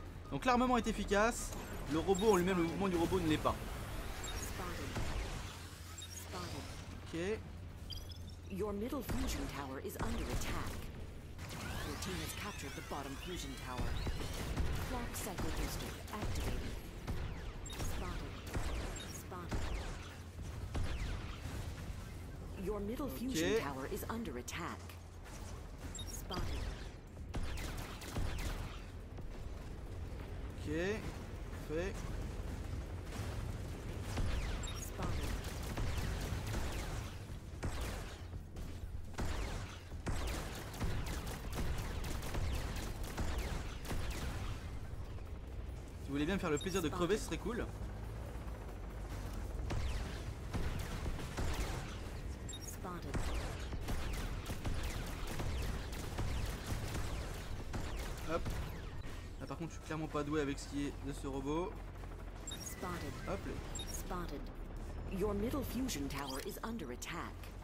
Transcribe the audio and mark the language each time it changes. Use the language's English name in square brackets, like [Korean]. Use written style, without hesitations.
[French] Donc l'armement est efficace. Le robot en lui-même, le mouvement du robot ne l'est pas. [English] Spotted. Spotted. Ok. Your middle fusion tower is under attack. Your team has captured the bottom fusion tower. Clock cycle booster activated. Spotted. Spotted. Your middle fusion tower is under attack. Spotted. [French] Okay. Fait. Si vous voulez bien me faire le plaisir de crever, ce serait cool. Hop. Là par contre je suis clairement pas doué avec ce qui est de ce robot. [English] Hop là. Spotted. Your middle fusion tower is under attack.